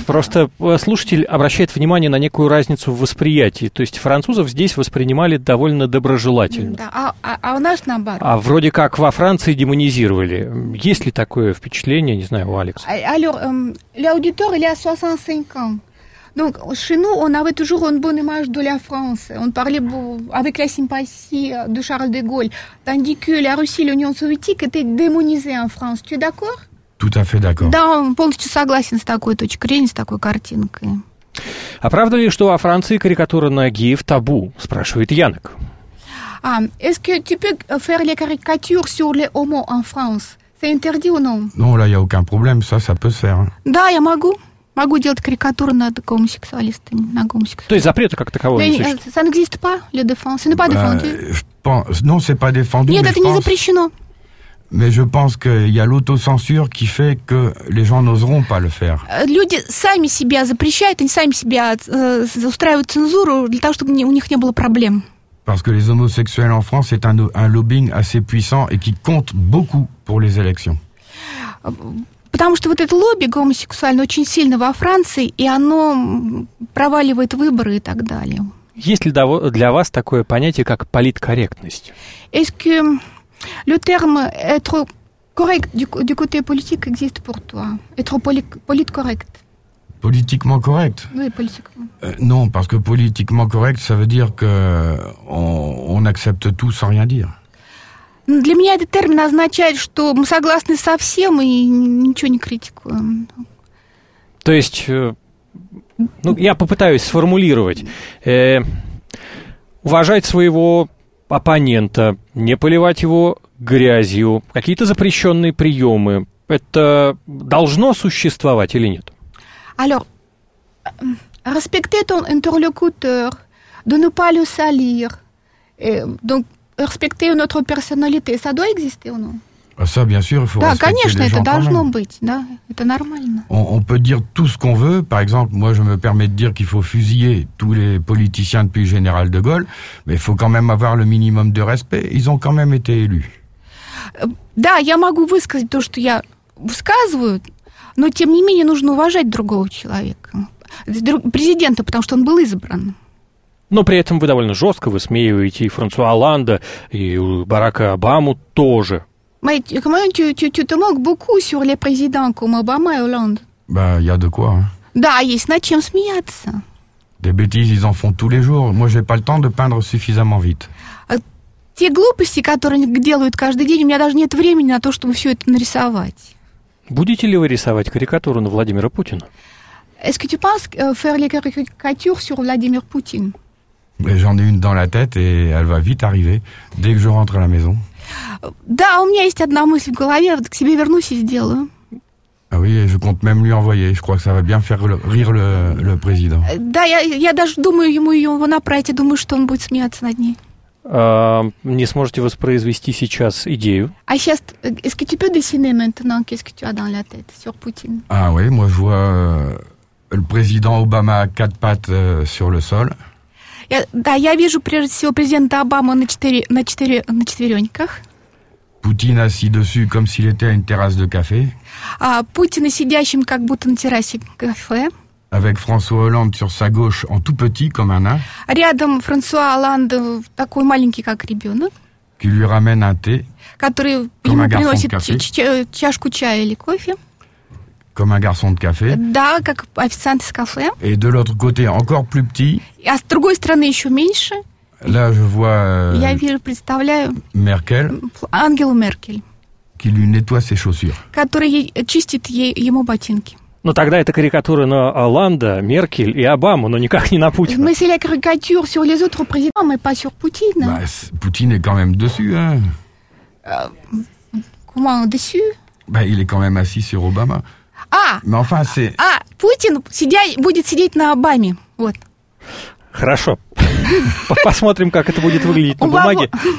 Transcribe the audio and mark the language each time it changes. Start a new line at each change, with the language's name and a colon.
Russian: Просто слушатель обращает внимание на некую разницу в восприятии. То есть французов здесь воспринимали довольно доброжелательно. Да, а у нас наоборот. А вроде как во Франции демонизировали. Есть ли такое впечатление, не знаю, у Алекса?
French: L'auditeur, il a 65 ans. Donc, chez nous, on avait toujours une bonne image de la France. On parlait avec la sympathie de Charles de Gaulle. Tandis que la Russie, l'Union soviétique, était démonisée en France. Tu es d'accord? Tout à fait d'accord.
Russian: Да, полностью согласен с такой точкой зрения, с такой картинкой. А правда ли, что во Франции карикатура на геев табу, спрашивает Янок.
French: Est-ce que tu peux faire les caricatures sur les homos en France? C'est interdit ou non? Non, là, il n'y a aucun problème, ça peut se faire.
Russian: Да, я могу. Могу делать карикатуры над гомосексуалистами, на гомосексуалистов. То есть запрета как такового не существует?
French: Ça n'existe pas, le défense. Ce n'est pas défendu. Non, c'est pas défendu.
Russian: Нет, это не запрещено.
French: Mais je pense qu'il y a l'autocensure qui fait que les gens n'oseront pas le faire.
Russian: Люди сами себя запрещают, они сами себя устраивают цензуру для того, чтобы у них не было проблем.
French: Parce que les homosexuels en France, c'est un lobbying assez puissant et qui compte beaucoup pour les élections.
Russian: Потому что вот это лобби гомосексуальное очень сильно во Франции, и оно проваливает выборы и так далее. Есть ли для вас такое понятие, как политкорректность?
French: Est-ce que le terme être correct du côté politique existe pour toi? Être politcorrect? Politiquement correct? Oui, politiquement. Non, parce que politiquement correct, ça veut dire qu'on accepte tout sans rien dire.
Russian: Для меня этот термин означает, что мы согласны со всем и ничего не критикуем. То есть, ну, я попытаюсь сформулировать. Уважать своего оппонента, не поливать его грязью, какие-то запрещенные приемы, это должно существовать или нет?
French: Alors, respecter ton interlocuteur, de ne pas le salir, donc, respecter notre personnalité, ça doit exister ou non? Ça, bien sûr, il faut respecter les gens quand même.
Russian: Да, конечно, это должно быть, да, это нормально.
French: On peut dire tout ce qu'on veut, par exemple, moi je me permets de dire qu'il faut fusiller tous les politiciens depuis le général de Gaulle, mais il faut quand même avoir le minimum de respect, ils ont quand même été élus.
Russian: Да, я могу высказать то, что я высказываю, но тем не менее нужно уважать другого человека, президента, потому что он был избран. Но при этом вы довольно жестко высмеиваете и Франсуа Олланда, и Барака Обаму тоже. Ты мог буку сюр ле президенту Обама и Олланда? Ба, я де куа. Да, есть над чем смеяться.
French: Des bêtises, ils en font tous les jours. Moi, j'ai pas le temps de peindre suffisamment vite.
Russian: Те глупости, которые делают каждый день, у меня даже нет времени на то, чтобы все это нарисовать. Будете ли вы рисовать карикатуру на Владимира Путина?
French: Est-ce que tu penses faire les caricatures sur Vladimir Poutine? Mais j'en ai une dans la tête et elle va vite arriver dès que je rentre à la maison.
Russian: Да, у меня есть одна мысль в голове, к себе вернусь и сделаю.
French: Ah oui, je compte même lui envoyer. Je crois que ça va bien faire rire le président.
Russian: Да, я даже думаю ему его направить, я думаю, что он будет смеяться над ней. Не сможете воспроизвести сейчас идею? А сейчас,
French: est-ce que tu peux dessiner maintenant qu'est-ce que tu as dans la tête sur Poutine? Ah oui, moi je vois le président Obama à quatre pattes sur le sol.
Russian: Да, я вижу прежде всего президента Обаму на четвереньках.
French: Путин assis dessus comme s'il était à une terrasse de café.
Russian: А Путина сидящим как будто на террасе кафе.
French: Avec François Hollande sur sa gauche, en tout petit, comme un nain.
Russian: Рядом Франсуа Оланд, такой маленький, как ребенок.
French: Qui lui ramène un thé.
Russian: Который ему приносит чашку чая или кофе.
French: Comme un garçon de café.
Russian: Да, как официант из кафе.
French: Et de l'autre côté, encore plus petit.
Russian: А с другой стороны, еще меньше.
French: Là, je vois...
Russian: Я вижу, представляю... Меркель. Ангелу Меркель.
French: Qui lui nettoie ses chaussures.
Russian: Который чистит ему ботинки. Но тогда это карикатура на Оланда, Меркель и Обаму, но никак не на Путина. Мы сели карикатуру
French: sur les autres présidents, mais pas sur Poutine. Bah, Poutine est quand même dessus, hein. Comment dessus? Bah, il est quand même assis sur Obama. Mais enfin, c'est...
Russian: Путин будет сидеть на Обаме, вот. Хорошо. Посмотрим, как это будет выглядеть на бумаге.